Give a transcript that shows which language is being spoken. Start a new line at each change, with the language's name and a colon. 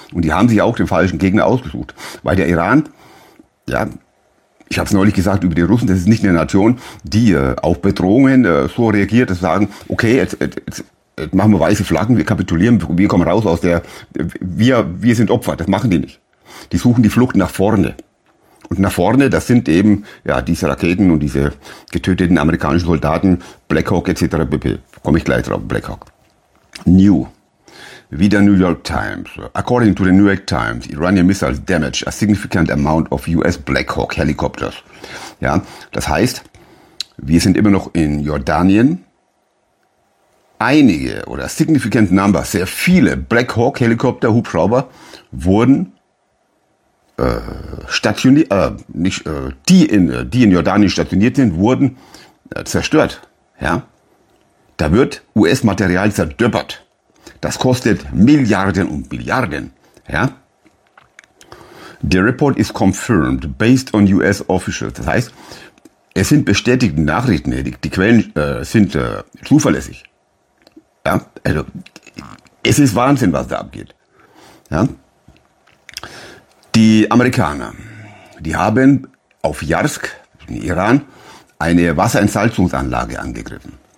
German: Und die haben sich auch den falschen Gegner ausgesucht. Weil der Iran, ja, ich habe es neulich gesagt über die Russen, das ist nicht eine Nation, die auf Bedrohungen so reagiert, dass sie sagen, okay, jetzt machen wir weiße Flaggen, wir kapitulieren, wir kommen raus aus der, wir sind Opfer, das machen die nicht. Die suchen die Flucht nach vorne. Und nach vorne, das sind eben ja diese Raketen und diese getöteten amerikanischen Soldaten, Black Hawk etc. pp. Komme ich gleich drauf, Black Hawk. New. Wieder New York Times.
English: According to the New York Times, Iranian missiles damaged a significant amount of US Black Hawk helicopters.
German: Ja, das heißt, wir sind immer noch in Jordanien. Einige oder
English: significant number,
German: sehr viele Black Hawk Helikopter, Hubschrauber wurden die in Jordanien stationiert sind, wurden zerstört. Ja, da wird US-Material zerdöppert. Das kostet Milliarden und Milliarden, ja.
English: The report is confirmed based on US officials. Das heißt,
German: Es sind bestätigte Nachrichten, die Quellen sind zuverlässig. Ja, also es ist Wahnsinn, was da abgeht. Ja? Die Amerikaner, die haben auf Jarsk, im Iran, eine Wasserentsalzungsanlage angegriffen.